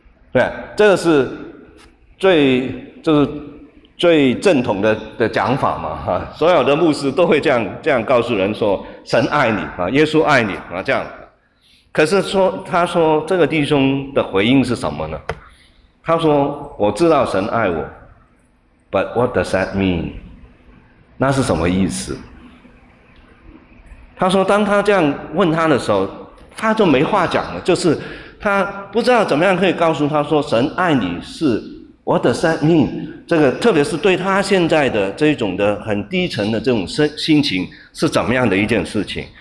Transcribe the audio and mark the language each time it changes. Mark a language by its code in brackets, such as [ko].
[zh] 对，这个是最就是最正统的讲法嘛，哈，所有的牧师都会这样告诉人说，神爱你啊，耶稣爱你啊，这样。可是说，他说这个弟兄的回应是什么呢？他说我知道神爱我 ， [en] but what does that mean？ [zh] 那是什么意思？他说当他这样问他的时候，他就没话讲了，就是他不知道怎么样可以告诉他说神爱你是。 [en] What does that mean？ [zh] 这个特别是对他现在的这种的很低沉的这种心情是怎么样的一件事情？